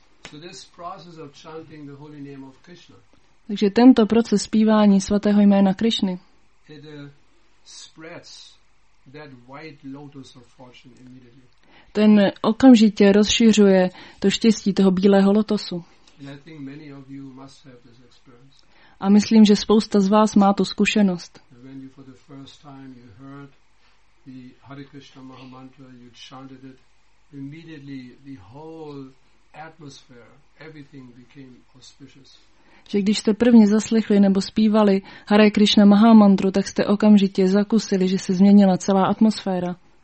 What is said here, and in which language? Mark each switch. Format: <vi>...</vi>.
<en>So this process of chanting the holy name of Krishna.</en> <cs>Takže tento proces zpívání svatého jména Krišny.</cs> <en>It spreads that white lotus of fortune immediately.</en> <cs>Ten okamžitě rozšiřuje to štěstí toho bílého lotosu.</cs> <en>And I think many of you must have this experience.</en> <cs>A myslím, že spousta z vás má tu zkušenost.</cs> <en>When you for the first time you heard the Hare Krishna Mahamantra, you chanted it, immediately the whole atmosphere, everything became auspicious.</en> <cs>Že když jste prvně zaslechli nebo zpívali Hare Krishna Mahamantru, tak jste okamžitě zakusili, že se změnila celá atmosféra.</cs>